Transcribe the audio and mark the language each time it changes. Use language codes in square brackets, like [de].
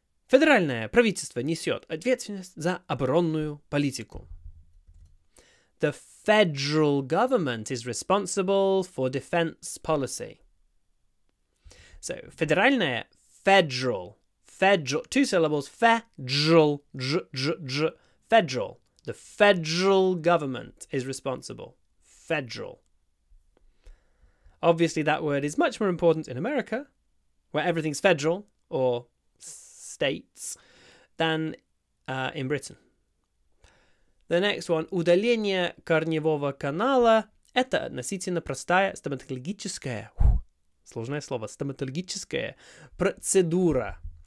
[ru] Федеральное правительство несет ответственность за оборонную политику. [en] The federal government is responsible for defense policy. So, federal, two syllables, federal. The federal government is responsible. Federal. Obviously, that word is much more important in America, where everything's federal, or states, than in Britain. The next one, [ru] удаление корневого канала, это относительно простая стоматологическая, сложное слово, стоматологическая процедура.